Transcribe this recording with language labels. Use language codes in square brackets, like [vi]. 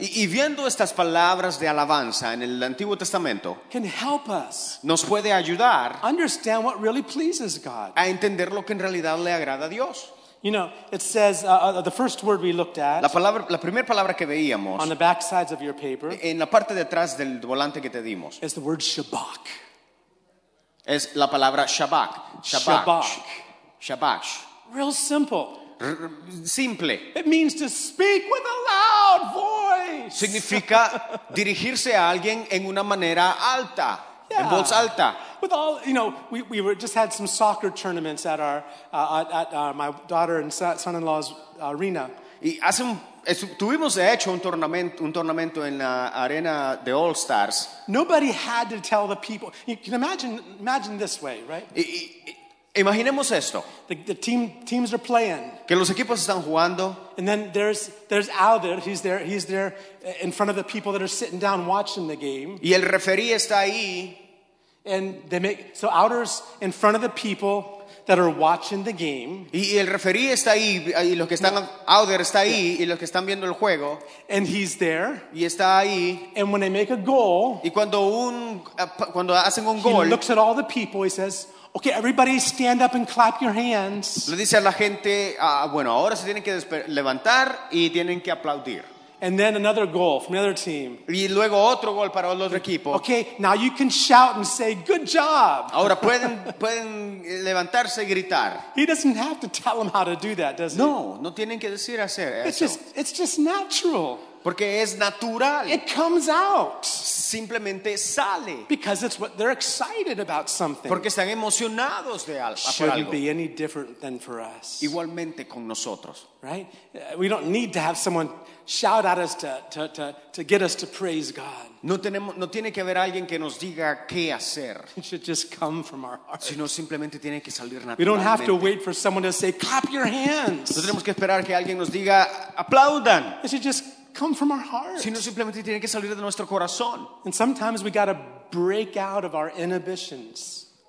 [es] Y viendo estas palabras de alabanza en el Antiguo Testamento. [en] Can help us. [es] Nos puede ayudar. [en] Understand what really pleases God. [es] A entender lo que en realidad le agrada a Dios. [en] You know, it says the first word we looked at. [es] La primera palabra que veíamos. [en] On the back sides of your paper. [es] En la parte de atrás del volante que te dimos. [en] Is the word Shabbat. [es] Es la palabra Shabbat. Shabbat. Shabbat. Shabbat. [en] Real simple. [es] Simple. [en] It means to speak with a loud voice. [es] Significa dirigirse a alguien en una manera alta. En voz alta. [en] With all, you know, we were just had some soccer tournaments at our my daughter and son-in-law's arena. [es] Y tuvimos de hecho un torneo en la arena de All Stars. [en] Nobody had to tell the people. You can imagine this way, right? [es] Imaginemos esto. [en] The teams are playing. [es] Que los equipos están jugando. [en] And then there's Alder. He's there in front of the people that are sitting down watching the game. [es] Y el referí está ahí. [en] And they make so outers in front of the people that are watching the game. [es] Y el referí está ahí y los que están outer está ahí y los que están viendo el juego. [en] And he's there. [es] Y está ahí. [en] And when they make a goal. [es] Y cuando hacen un gol. [en] He looks at all the people. He says, "Okay, everybody, stand up and clap your hands." [es] Le dice a la gente, bueno, ahora se tienen que levantar y tienen que aplaudir. [en] And then another goal from another team. [es] Y luego otro gol para el otro equipo. [en] Okay, now you can shout and say, "Good job." [es] Ahora pueden levantarse y gritar. [en] He doesn't have to tell them how to do that, does he? [es] No, no tienen que decir hacer eso. [en] It's just natural. [es] Porque es natural. [en] It comes out. [es] Simplemente sale. [en] Because it's what they're excited about something. [es] Porque están emocionados de algo. [en] Shouldn't be any different than for us. [es] Igualmente con nosotros. [en] Right? We don't need to have someone shout at us to get us to praise God. [es] No tiene que haber alguien que nos diga qué hacer. [en] It should just come from our heart. [es] Sino simplemente tiene que salir naturalmente. [en] We don't have to wait for someone to say, "Clap your hands." [es] No tenemos que esperar que alguien nos diga, "Aplaudan." [en] It should just come from our heart. [es] Sino simplemente tiene que salir de nuestro corazón. [en] And sometimes we got to break out of our inhibitions.